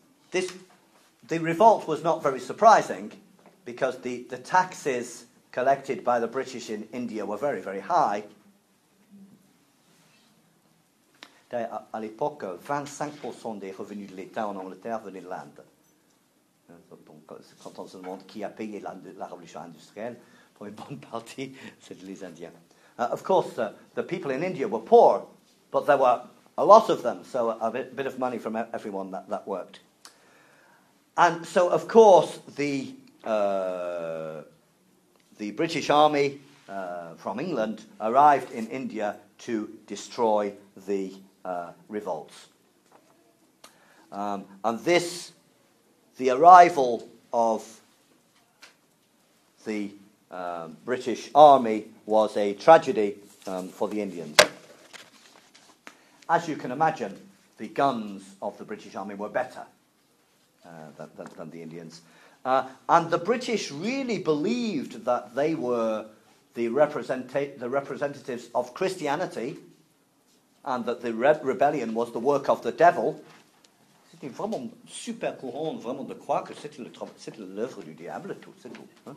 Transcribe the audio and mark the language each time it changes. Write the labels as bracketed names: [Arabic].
[English] The revolt was not very surprising because the taxes collected by the British in India were very, very high. [French] À l'époque, 25% des revenus de l'État en Angleterre venaient de l'Inde. Donc, quand on se demande qui a payé la révolution industrielle, pour une bonne partie, c'est les Indiens. [English] Of course, the people in India were poor, but there were a lot of them, so a bit of money from everyone that worked. And so, of course, the British Army from England arrived in India to destroy the revolts. And this, the arrival of the British Army was a tragedy for the Indians. As you can imagine, the guns of the British Army were better than the Indians. And the British really believed that they were the representatives of Christianity, and that the rebellion was the work of the devil. [French] C'était vraiment super courant, vraiment de croire que c'était l'œuvre du diable, tout, c'est tout.